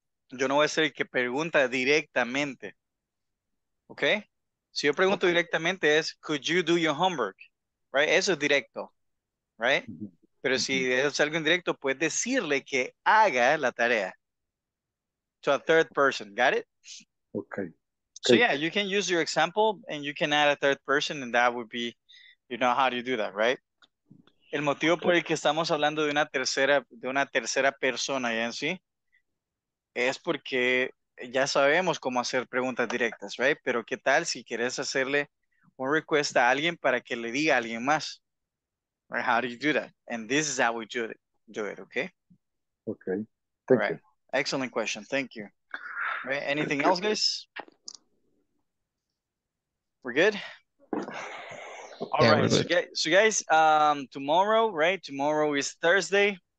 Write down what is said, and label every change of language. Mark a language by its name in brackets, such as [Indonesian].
[Spanish] Yo no voy a ser el que pregunta directamente. ¿Ok? Si yo pregunto okay. directamente es, [English] could you do your homework? [Spanish] Right? Eso es directo. Right? Pero si es algo indirecto, puedes decirle que haga la tarea. [English] To a third person. Got it? Okay. So yeah, you can use your example and you can add a third person and that would be, you know how to do that, right? [Spanish] El motivo por el que estamos hablando de una tercera persona ya en sí es porque ya sabemos cómo hacer preguntas directas, right? Pero ¿qué tal si quieres hacerle un request a alguien para que le diga a alguien más? [English] Right? How do you do that? And this is how we do it, okay? Okay, thank right. you. Excellent question, thank you. Right. Anything else, guys? We're good? All yeah, right, so guys, tomorrow, right? Tomorrow is Thursday.